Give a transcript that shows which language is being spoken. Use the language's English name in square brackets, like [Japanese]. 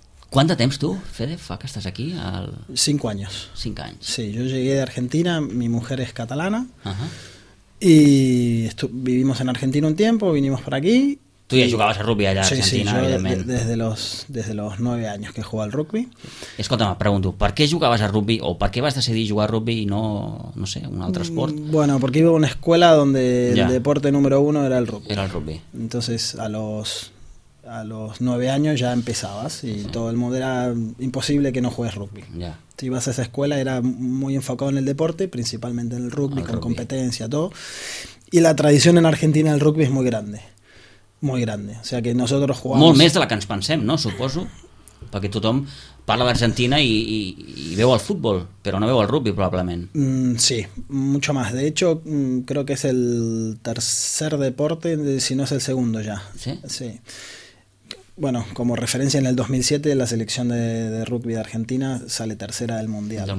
[Catalan] Quant de temps tu, Fede, fa que estàs aquí? 5 anys. 5 anys. [Spanish] Sí, jo llegué de Argentina, mi mujer es catalana. Uh-huh. Y vivimos en Argentina un tiempo, vinimos por aquí. Tú ya jugabas a rugby allà, sí, a Argentina, sí, [Catalan] evidentment. [Spanish] Desde los 9 años que jugué al rugby. [Catalan] Escolta'm, pregunto, ¿per què jugabas a rugby o per què vas decidir jugar a rugby i no sé, un altre esport? [Spanish] Bueno, porque iba a una escuela donde ya. El deporte número uno era el rugby. Era el rugby. Entonces, a los 9 años ya empezabas y sí. Todo el mundo era imposible que no juegues rugby. Ya. Si ibas a esa escuela era muy enfocado en el deporte, principalmente en el rugby, con competencia, todo. Y la tradición en Argentina del rugby es muy grande. Muy grande, o sea que nosotros jugamos... [Catalan] Molt més de la que ens pensem, no? Suposo, perquè tothom parla d'Argentina i veu el futbol, però no veu el rugby probablement. [Spanish] Sí, mucho más. De hecho, creo que es el tercer deporte, si no es el segundo ya. ¿Sí? Sí. Bueno, como referencia, en el 2007 la selección de rugby de Argentina sale tercera del Mundial.